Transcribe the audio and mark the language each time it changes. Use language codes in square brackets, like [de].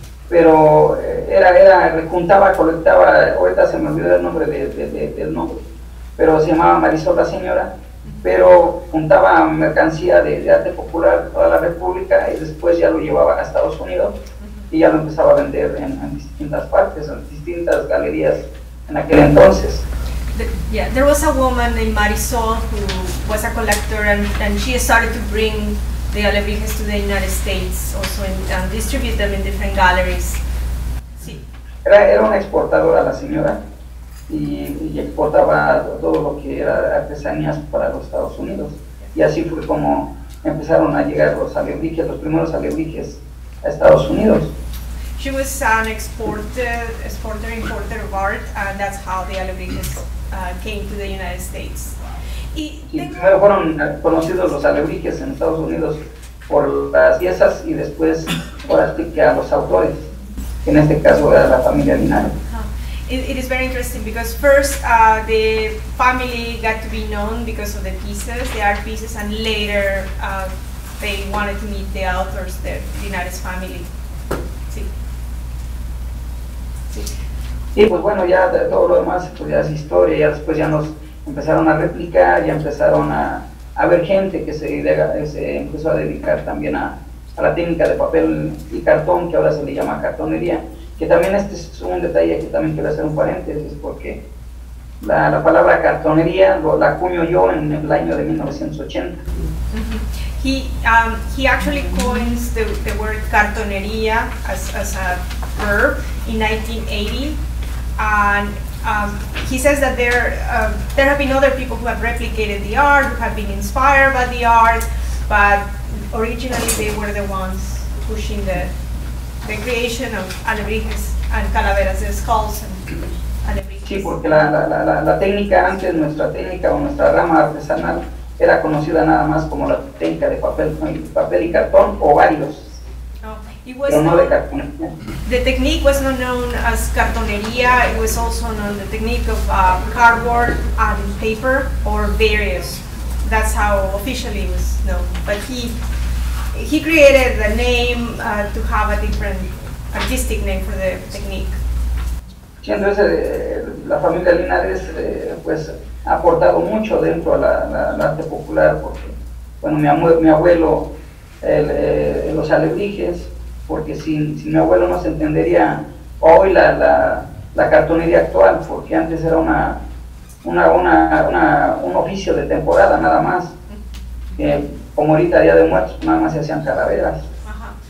[es] Pero era recuntaba, colectaba, ahorita se me olvidó el nombre del nombre, pero se llamaba Marisol la señora, pero juntaba mercancía de arte popular de toda la república, y después ya lo llevaba a Estados Unidos y ya lo empezaba a vender en distintas partes, en distintas galerías en aquel entonces. [en] There was a woman named Marisol who was a collector, and she started to bring the alebrijes to the United States also, and distribute them in different galleries. [es] Sí. Era una exportadora la señora, y exportaba todo lo que era artesanías para los Estados Unidos. Y así fue como empezaron a llegar los alebrijes, los primeros alebrijes a Estados Unidos. [en] She was an exporter of art, and that's how the alebrijes came to the United States. [es] Y primero fueron conocidos los alebrijes en Estados Unidos por las piezas y después por así que a los autores, en este caso a la familia Linares. [en] It is very interesting because first the family got to be known because of the pieces, the art pieces, and later they wanted to meet the authors, the Linares family. [es] Sí. Sí, pues bueno, ya de todo lo demás pues ya es historia, ya después ya nos empezaron a replicar, ya empezaron a ver gente que se empezó a dedicar también a la técnica de papel y cartón, que ahora se le llama cartonería. Que también este es un detalle que también quiero hacer un paréntesis, porque la palabra cartonería la acuño yo en el año de 1980. Mm-hmm. [en] He actually coins the word cartonería as a verb in 1980, and he says that there have been other people who have replicated the art, who have been inspired by the art, but originally they were the ones pushing the creation of alebrijes and calaveras, the skulls and alebrijes. [es] Sí, porque la técnica antes, nuestra técnica o nuestra rama artesanal, era conocida nada más como la técnica de papel y cartón o varios. [en] It was the technique was not known as cartonería. It was also known the technique of cardboard and paper or various. That's how officially it was known. But he created the name to have a different artistic name for the technique. [es] Sí, entonces la familia Linares pues ha aportado mucho dentro a la arte popular, porque bueno, mi abuelo los alebrijes. Porque sin mi abuelo no se entendería hoy la cartonería actual, porque antes era un oficio de temporada nada más, como ahorita Día de Muertos nada más se hacían calaveras. Ajá.